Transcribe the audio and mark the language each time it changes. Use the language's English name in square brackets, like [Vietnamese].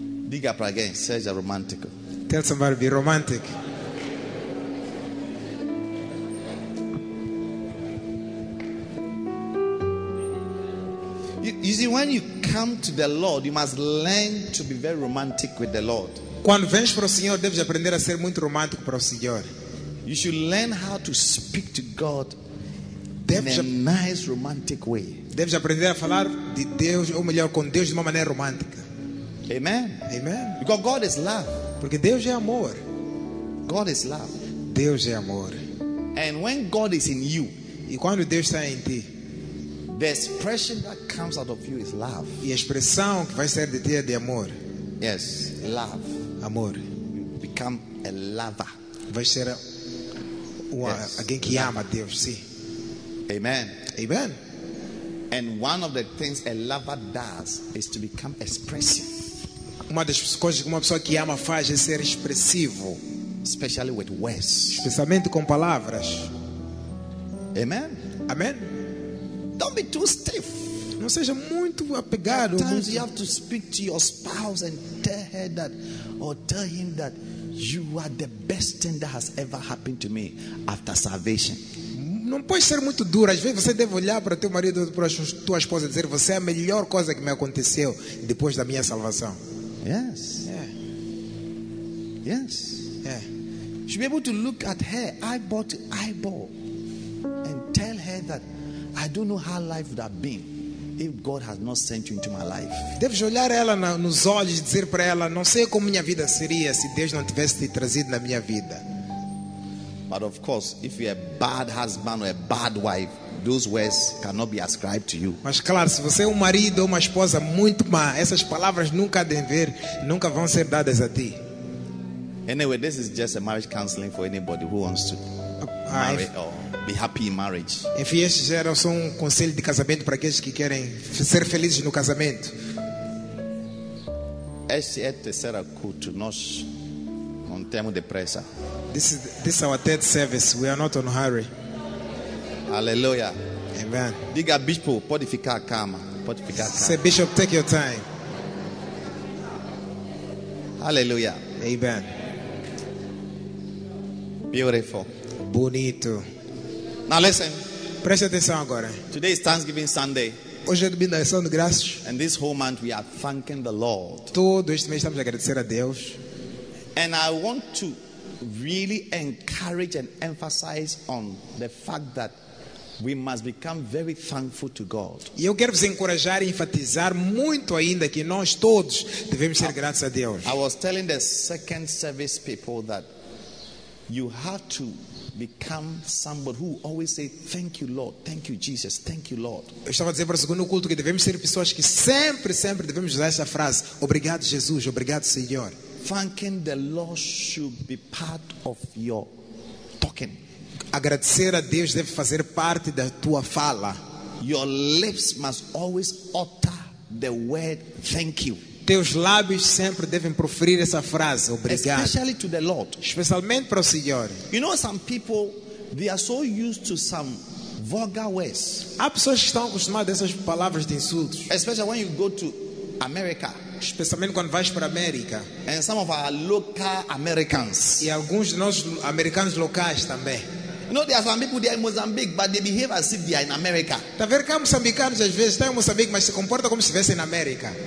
[Portuguese] Diga para alguém, seja romântico. [English] Tell somebody be romantic. You see, when you come to the Lord, you must learn to be very romantic with the Lord. [Portuguese] Quando vens para o Senhor, deves aprender a ser muito romântico para o Senhor. [English] You should learn how to speak to God in a nice romantic way. [Portuguese] Deves aprender a falar de Deus, ou melhor, com Deus de uma maneira romântica. [English] Amen. [Portuguese] Amen. [English] Because God is love. [Portuguese] Porque Deus é amor. [English] God is love. [Portuguese] Deus é amor. [English] And when God is in you, [Portuguese] e quando Deus está em ti, [English] the expression that comes out of you is love. [Portuguese] E a expressão que vai sair de ti é de amor. [English] Yes, love. [Portuguese] Amor. [English] Become a lover. [Portuguese] Vai ser alguém que ama Deus, sim. [English] Amen. [Portuguese] Amen. [English] And one of the things a lover does is to become expressive. [Portuguese] Uma das coisas que uma pessoa que ama faz é ser expressivo, [English] especially with words. [Portuguese] Especialmente com palavras. [English] Amen. [Portuguese] Amen. [English] Don't be too stiff. [Portuguese] Não seja muito apegado. [English] Sometimes [Portuguese] muito... [English] you have to speak to your spouse and tell her that, or tell him that you are the best thing that has ever happened to me after salvation. [Portuguese] Não pode ser muito duro. Às vezes você deve olhar para teu marido, para a tua esposa e dizer: você é a melhor coisa que me aconteceu depois da minha salvação. [English] Yes. Yeah. Yes. Yeah. You should be able to look at her eyeball to eyeball and tell her that I don't know how life would have been if God has not sent you into my life. [Portuguese] Deves olhar ela nos olhos e dizer para ela: não sei como minha vida seria se Deus não tivesse te trazido na minha vida. [English] But of course, if you're a bad husband or a bad wife, those words cannot be ascribed to you. [Portuguese] Mas claro, se você é marido ou uma esposa muito má, essas palavras nunca devem ver, nunca vão ser dadas a ti. [English] Anyway, this is just a marriage counseling for anybody who wants to marry or be happy in marriage. [Portuguese] Enfim, estes eram só conselho de casamento para aqueles que querem ser felizes no casamento. Este é o terceiro culto, nós não temos depressa. [English] This is our third service. We are not on hurry. Hallelujah. Amen. [Portuguese] Diga bispo, pode ficar calma. Pode ficar calma. [English] Say bishop, take your time. Hallelujah. Amen. Beautiful. [Portuguese] Bonito. [English] Now listen. [Portuguese] Preste atenção agora. [English] Today is Thanksgiving Sunday. [Portuguese] Hoje é domingo, ação de graças. [English] And this whole month we are thanking the Lord. [Portuguese] Todo este mês estamos a agradecer a Deus. [English] And I want to really encourage and emphasize on the fact that we must become very thankful to God. [Portuguese] E eu quero vos encorajar e enfatizar muito ainda que nós todos devemos ser gratos a Deus. [English] I was telling the second service people that you have to become somebody who always say thank you Lord, thank you Jesus, thank you Lord. [Portuguese] Eu estava a dizer para o segundo culto que devemos ser pessoas que sempre devemos usar essa frase: obrigado Jesus, obrigado Senhor. [English] Thanking the Lord should be part of your talking. [Portuguese] Agradecer a Deus deve fazer parte da tua fala. [English] Your lips must always utter the word thank you. [Portuguese] Teus lábios sempre devem proferir essa frase: obrigado. [English] Especially to the Lord. [Portuguese] Especialmente para o Senhor. [English] You know, some people, they are so used to some vulgar words. [Portuguese] Há pessoas que estão acostumadas a essas palavras de insultos. [English] Especially when you go to America. [Portuguese] Especialmente quando vais para a América. [English] And some of our local Americans. [Portuguese] E alguns dos nossos americanos locais também. [English] You know, there are some people there in Mozambique, but they behave as if they are in America. [Portuguese] Tá vendo que há moçambicanos às vezes estão em Moçambique, mas se comporta como se estivesse na América.